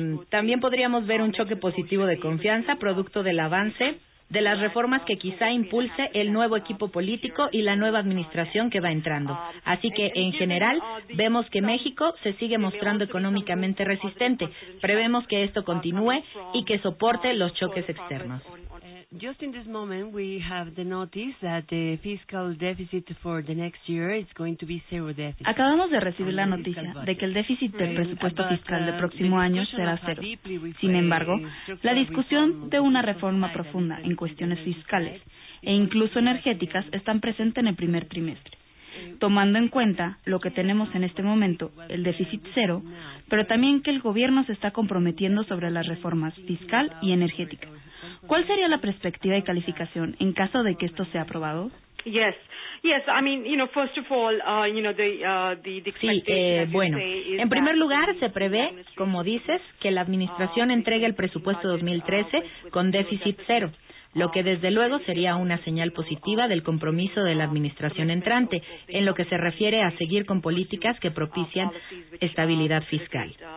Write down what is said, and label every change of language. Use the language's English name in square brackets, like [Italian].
[Spanish] también podríamos ver un choque positivo de confianza producto del avance de las reformas que quizá impulse el nuevo equipo político y la nueva administración que va entrando. Así que, en general, vemos que México se sigue mostrando económicamente resistente. Prevemos que esto continúe y que soporte los choques externos. [English] Just in this moment, we have the notice that the fiscal deficit for the next year is going to be zero deficit. [Spanish] Acabamos de recibir la noticia de que el déficit del presupuesto fiscal del próximo año será cero. Sin embargo, la discusión de una reforma profunda en cuestiones fiscales e incluso energéticas están presentes en el primer trimestre. Tomando en cuenta lo que tenemos en este momento, el déficit cero, pero también que el gobierno se está comprometiendo sobre las reformas fiscal y energética. ¿Cuál sería la perspectiva y calificación en caso de que esto sea aprobado? [English] Yes. Yes, I mean, you know, first of all, you know, the expectation, [Spanish] sí, bueno, en primer lugar se prevé, como dices, que la administración entregue el presupuesto 2013 con déficit cero, lo que desde luego sería una señal positiva del compromiso de la administración entrante en lo que se refiere a seguir con políticas que propician estabilidad fiscal.